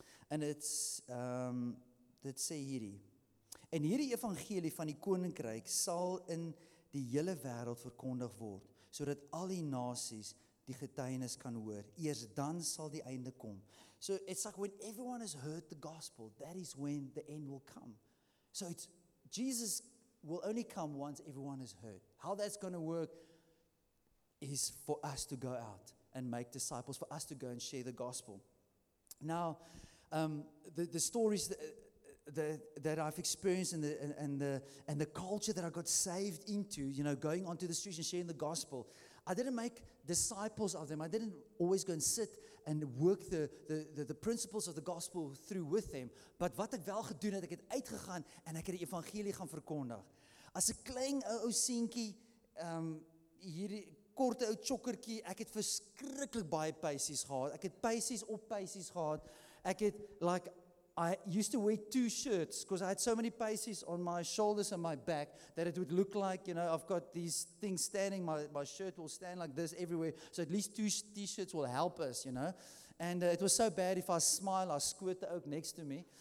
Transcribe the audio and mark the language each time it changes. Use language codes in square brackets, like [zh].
[en] And it's, [af] dit sê hierdie, en hierdie evangelie van die koninkryk sal in die hele wêreld verkondig word, sodat al die nasies die getuienis kan hoor. Eers dan sal die einde kom. [en] So it's like when everyone has heard the gospel, that is when the end will come. So it's Jesus will only come once everyone has heard. How that's going to work is for us to go out and make disciples, for us to go and share the gospel. Now, the stories that I've experienced and the culture that I got saved into, you know, going onto the streets and sharing the gospel, I didn't make disciples of them. I didn't always go and sit and work the principles of the gospel through with them. [af] But wat ek wel gedoen het, ek het uitgegaan en ek het die evangelie gaan verkondig. As 'n klein ou seentjie, hierdie korte ou chokkertjie, ek het verskriklik baie pysies gehad. Ek het pysies op pysies gehad. Ek het, [en] like, I used to wear two shirts because I had so many pysies on my shoulders and my back that it would look like, you know, I've got these things standing, my shirt will stand like this everywhere. So at least two t-shirts will help us, you know. And it was so bad if I smile, I squirt the oak next to me.